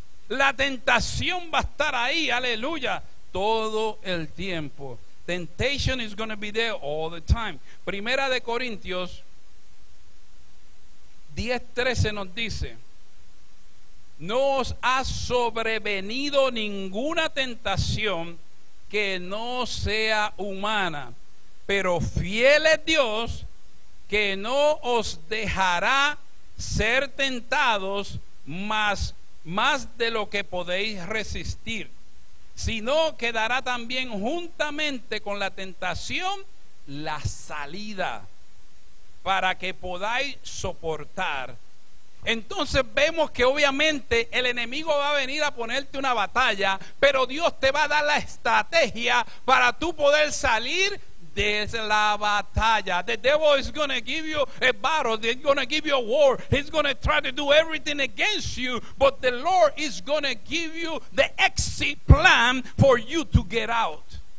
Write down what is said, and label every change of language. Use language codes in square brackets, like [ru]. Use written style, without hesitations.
[es] La tentación va a estar ahí, aleluya, todo el tiempo. [en] Temptation is gonna be there all the time. [es] Primera de Corintios 10:13 nos dice, no os ha sobrevenido ninguna tentación que no sea humana, pero fiel es Dios, que no os dejará ser tentados más de lo que podéis resistir, sino que dará también juntamente con la tentación la salida para que podáis soportar. Entonces vemos que obviamente el enemigo va a venir a ponerte una batalla, pero Dios te va a dar la estrategia para tú poder salir de la batalla. [en] The devil is going to give you a battle. He's going to give you a war. He's going to try to do everything against you, but the Lord is going to give you the exit plan for you to get out.